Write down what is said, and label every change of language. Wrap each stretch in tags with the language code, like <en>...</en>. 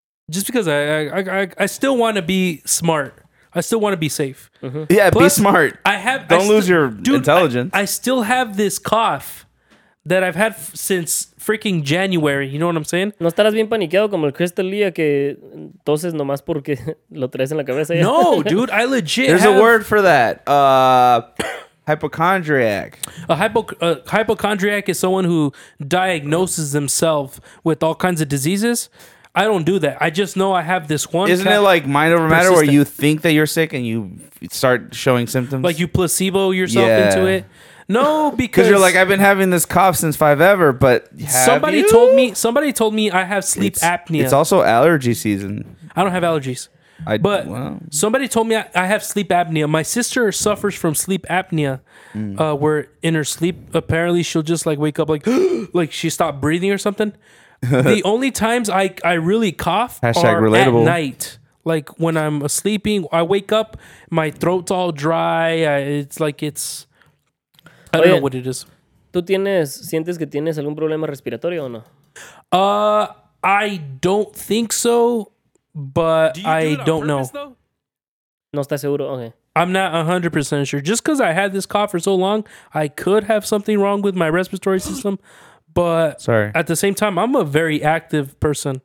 <en>Just because I still want to be smart. I still want to be safe. Mm-hmm. Yeah, plus, be smart. Don't lose your intelligence. I still have this cough that I've had since freaking January. You know what I'm saying?</en> <es>No estarás bien paniqueado como el Crystal Lee que toses nomás porque lo traes en la cabeza.</es> <en>No, dude, I legit. There's a word for that. Hypochondriac. A hypochondriac is someone who diagnoses themselves with all kinds of diseases. I don't do that. I just know I have this one. Isn't it like mind over matter where you think that you're sick and you start showing symptoms? Like you placebo yourself into it? No, because you're like, I've been having this cough since five ever, but somebody told me I have sleep apnea. It's also allergy season. I don't have allergies. Somebody told me I have sleep apnea. My sister suffers from sleep apnea where in her sleep, apparently she'll just like wake up like like she stopped breathing or something. The only times I really cough hashtag are relatable at night. Like when I'm sleeping, I wake up, my throat's all dry. I don't know what it is.</en> <es>¿Tú sientes que tienes algún problema respiratorio o no?</es> <en>I don't think so, but I don't know.</en> <es>No estás seguro, okay.</es> <en>I'm not 100% sure. Just because I had this cough for so long, I could have something wrong with my respiratory system. But sorry. At the same time, I'm a very active person.</en>